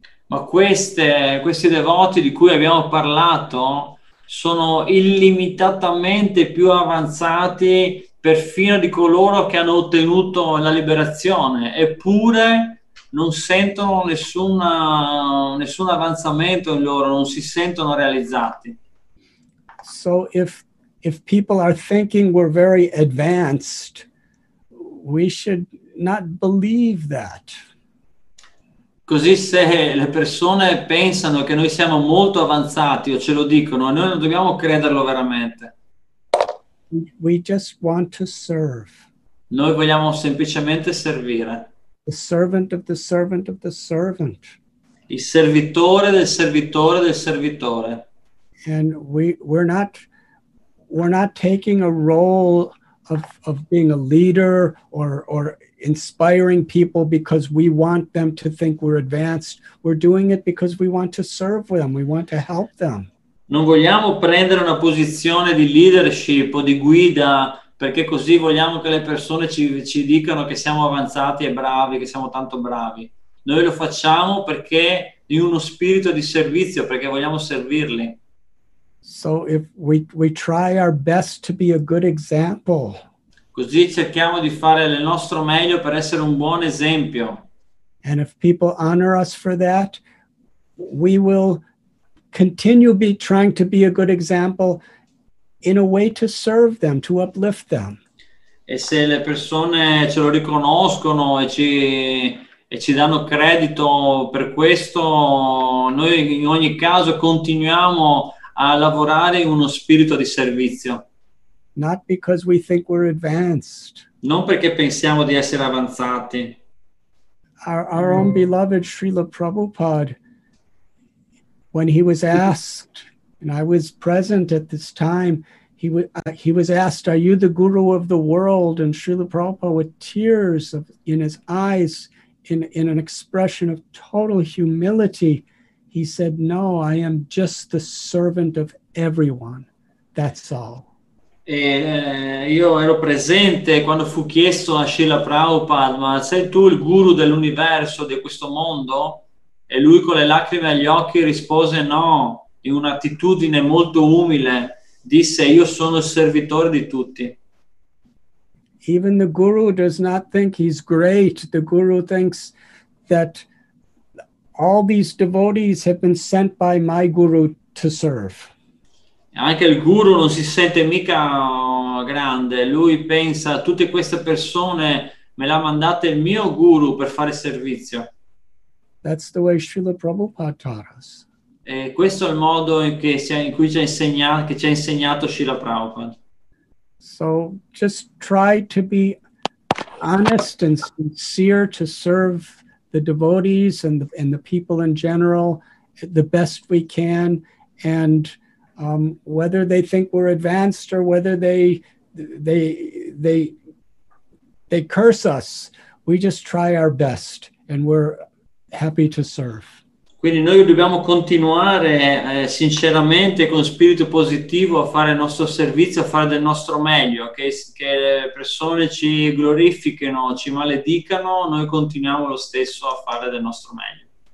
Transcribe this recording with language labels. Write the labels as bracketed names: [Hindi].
[Italian] Ma questi devoti di cui abbiamo parlato sono illimitatamente più avanzati perfino di coloro che hanno ottenuto la liberazione, eppure non sentono nessun avanzamento in loro, non si sentono realizzati. [English] So if people are thinking we're very advanced, we should not believe that. [Italian] Così se le persone pensano che noi siamo molto avanzati o ce lo dicono, noi non dobbiamo crederlo veramente. [English] We just want to serve. [Italian] Noi vogliamo semplicemente servire. [English] The servant of the servant of the servant. [Italian] Il servitore del servitore del servitore. [English] And we're not taking a role of being a leader or inspiring people because we want them to think we're advanced. We're doing it because we want to serve them. We want to help them. [Italian] Non vogliamo prendere una posizione di leadership o di guida perché così vogliamo che le persone ci dicano che siamo avanzati e bravi, che siamo tanto bravi. Noi lo facciamo perché in uno spirito di servizio, perché vogliamo servirli. [English] So if we try our best to be a good example. [Italian] Così cerchiamo di fare il nostro meglio per essere un buon esempio. [English] And if people honor us for that, we will continue be trying to be a good example in a way to serve them, to uplift them. [Italian] E se le persone ce lo riconoscono e ci danno credito per questo, noi in ogni caso continuiamo a lavorare in uno spirito di servizio. [English] not because we think we're advanced. [Italian] Non perché pensiamo di essere avanzati. [English] Our own beloved Srila Prabhupada, when he was asked, and I was present at this time, he was asked, are you the guru of the world? And Srila Prabhupada, with tears of, in his eyes, in an expression of total humility, he said, no, I am just the servant of everyone. That's all. [Italian] E, io ero presente quando fu chiesto a Srila Prabhupada, ma sei tu il guru dell'universo, di questo mondo? E lui con le lacrime agli occhi rispose no, in un'attitudine molto umile, disse io sono il servitore di tutti. [English] Even the guru does not think he's great. The guru thinks that all these devotees have been sent by my guru to serve. [Italian] Anche il guru non si sente mica grande. Lui pensa, tutte queste persone me l'ha mandato il mio guru per fare servizio. [English] That's the way Srila Prabhupada taught us. [Italian] E questo è il modo in cui ci ha insegnato Srila Prabhupada. [English] So just try to be honest and sincere to serve the devotees and the people in general the best we can. And whether they think we're advanced or whether they curse us, we just try our best and we're happy to serve. [Italian] Quindi noi dobbiamo continuare sinceramente con spirito positivo a fare il nostro servizio, a fare del nostro meglio, che le persone ci glorifichino, ci maledicano, noi continuiamo lo stesso a fare del nostro meglio.